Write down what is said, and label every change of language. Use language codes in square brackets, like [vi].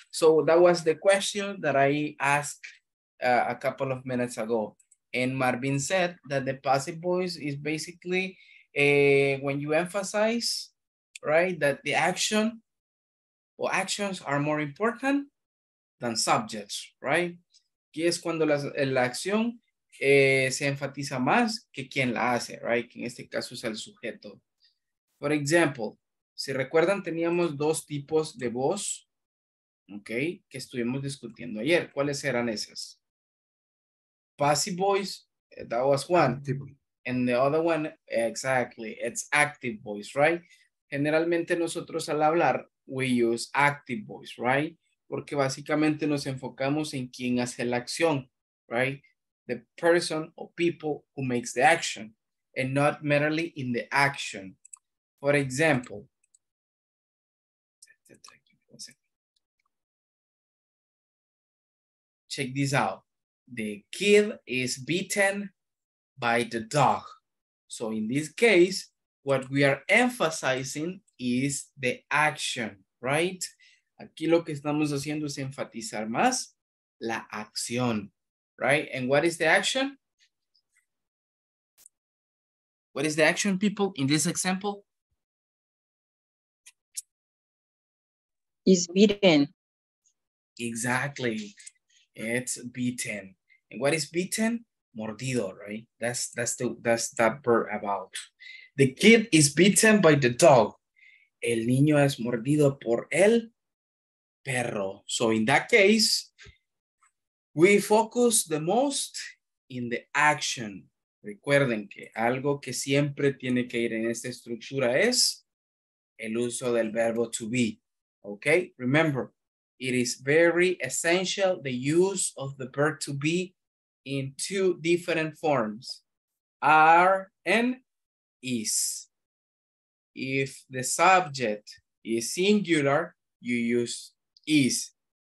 [en] So that was the question that I asked a couple of minutes ago. And Marvin said that the passive voice is basically when you emphasize, right, that the action or actions are more important than subjects, right? [es] Que es cuando la acción se enfatiza más que quien la hace, right? Que en este caso es el sujeto. [en] For example, [es] si recuerdan, teníamos dos tipos de voz, okay, que estuvimos discutiendo ayer. ¿Cuáles eran esas? [en] Passive voice, that was one. Active. And the other one, exactly, it's active voice, right? [es] Generalmente nosotros al hablar, [en] we use active voice, right? [es] Porque básicamente nos enfocamos en quien hace la acción, right? [en] The person or people who makes the action and not merely in the action. For example, check this out. The kid is beaten by the dog. So in this case, what we are emphasizing is the action, right? Aquí lo que estamos haciendo es enfatizar más la acción, right? And what is the action? What is the action, people, in this example? It's beaten. Exactly. It's beaten. And what is beaten? Mordido, right? That's that verb about. The kid is beaten by the dog. [es] El niño es mordido por el perro. [en] So in that case, we focus the most in the action. [es] Recuerden que algo que siempre tiene que ir en esta estructura es el uso del verbo to be. [en] Okay? Remember, it is very essential the use of the verb to be in two different forms, are and is. If the subject is singular, you use is.